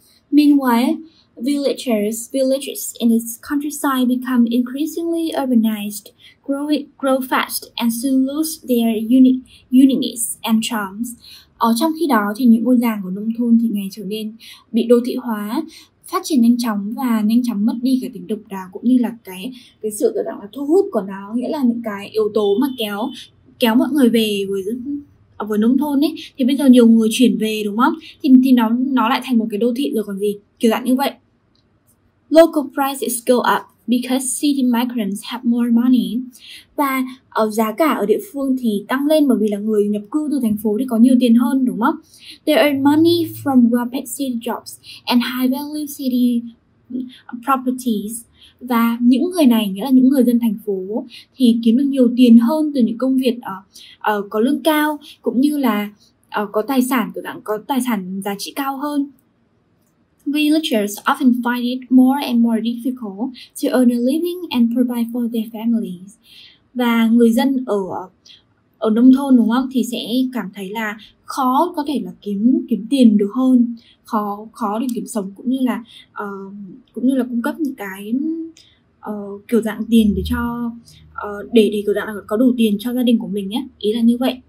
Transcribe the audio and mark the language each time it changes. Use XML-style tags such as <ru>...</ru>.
<en>Meanwhile, villages in the countryside become increasingly urbanized, grow fast and soon lose their uniqueness and charms.</en> <vi>Ở trong khi đó thì những ngôi làng của nông thôn thì ngày trở nên bị đô thị hóa, phát triển nhanh chóng và nhanh chóng mất đi cái tính độc đáo cũng như là cái sự gọi là thu hút của nó, nghĩa là những cái yếu tố mà kéo mọi người về với nông thôn ấy, thì bây giờ nhiều người chuyển về, đúng không? Thì nó lại thành một cái đô thị rồi còn gì, kiểu dạng như vậy.</vi> <en>Local prices go up because city migrants have more money.</en> <vi>Và ở giá cả ở địa phương thì tăng lên bởi vì là người nhập cư từ thành phố thì có nhiều tiền hơn, đúng không?</vi> <en>They earn money from rapid city jobs and high value city properties.</en> <vi>Và những người này, nghĩa là những người dân thành phố, thì kiếm được nhiều tiền hơn từ những công việc có lương cao, cũng như là có tài sản giá trị cao hơn.</vi> <en>Villagers often find it more and more difficult to earn a living and provide for their families.</en> <vi>Và người dân ở nông thôn, đúng không, thì sẽ cảm thấy là khó có thể là kiếm tiền được hơn, khó để kiếm sống cũng như là cung cấp những cái kiểu dạng tiền để cho để kiểu dạng là có đủ tiền cho gia đình của mình nhé. Ý là như vậy.</vi>